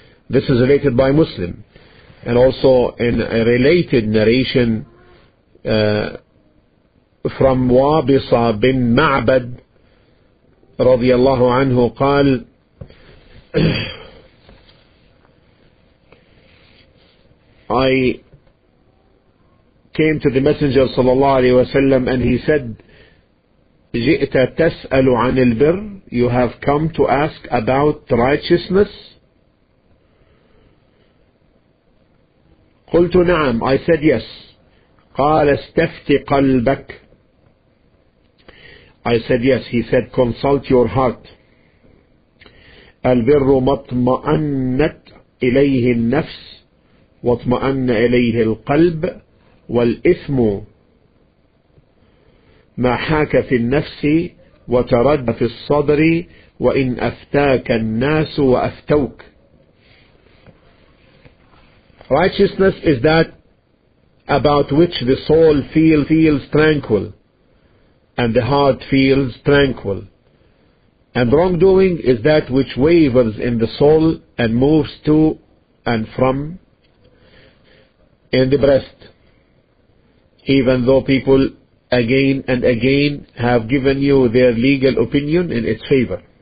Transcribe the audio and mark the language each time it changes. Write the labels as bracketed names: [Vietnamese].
[English] This is related by Muslim, and also in a related narration from Wabisa bin Ma'bad radiallahu anhu qal I came to the Messenger sallallahu alayhi wa sallam and he said [Arabic] جئت تسأل عن البر, [English] you have come to ask about righteousness. [Arabic] قلت نعم, [English] I said yes. [Arabic] قال استفت قلبك, [English] I said yes. He said, consult your heart. [Arabic] البر مطمئنت إليه النفس واطمئن إليه القلب والإثم ما حاك في النفس وترد في الصدر وإن أفتاك الناس وأفتوك. [English] Righteousness is that about which the soul feels tranquil and the heart feels tranquil. And wrongdoing is that which wavers in the soul and moves to and from in the breast, even though people again and again have given you their legal opinion in its favor.